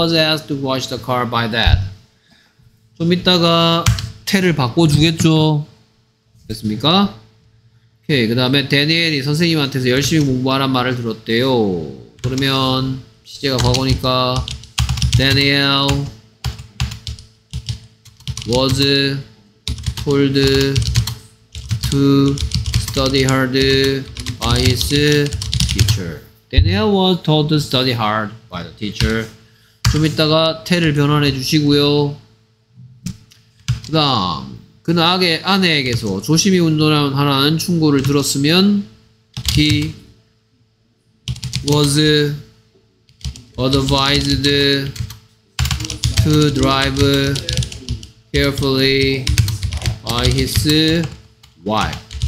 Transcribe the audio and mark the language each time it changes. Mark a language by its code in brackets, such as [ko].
[en] I was asked to wash the car by dad. [ko] 좀 이따가 테를 바꿔주겠죠. 됐습니까? 오케이. 그 다음에 대니엘이 선생님한테서 열심히 공부하란 말을 들었대요. 그러면 시제가 과거니까 [en] Daniel was told to study hard by his teacher. Daniel was told to study hard by the teacher. [ko] 좀 이따가 테를 변환해 주시고요. 그 다음 그 아내에게서 조심히 운전하라는 충고를 들었으면 [en] he was advised to drive carefully by his wife.